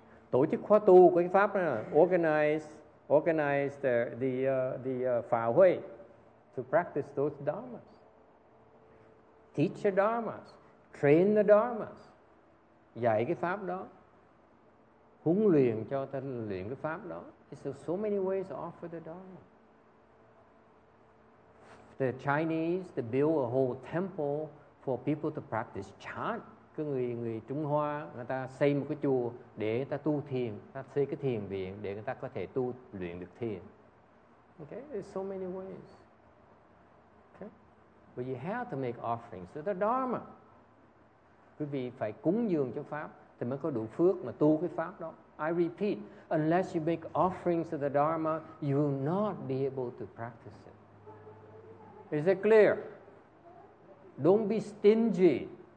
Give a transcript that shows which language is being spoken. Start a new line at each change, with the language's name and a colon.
Vietnamese: Tổ chức khóa tu của cái pháp này,
English: organize the Phả Huệ to practice those dharmas, teach the dharmas,
Vietnamese: train the dharmas, dạy cái pháp đó, huấn luyện cho ta luyện cái pháp đó.
English: There's so many ways to offer the dharma. The Chinese, they build a whole temple for people to practice chant.
Vietnamese: Cái người Trung Hoa người ta xây một cái chùa để người ta tu thiền, ta xây cái thiền viện để người ta có thể tu luyện được thiền.
English: Okay, there's so many ways. Okay, but you have to make offerings to the Dharma.
Vietnamese: Quý vị phải cúng dường cho pháp thì mới có đủ phước mà tu cái pháp đó.
English: I repeat, unless you make offerings to the Dharma, you will not be able to practice it. Is it clear? Don't be stingy.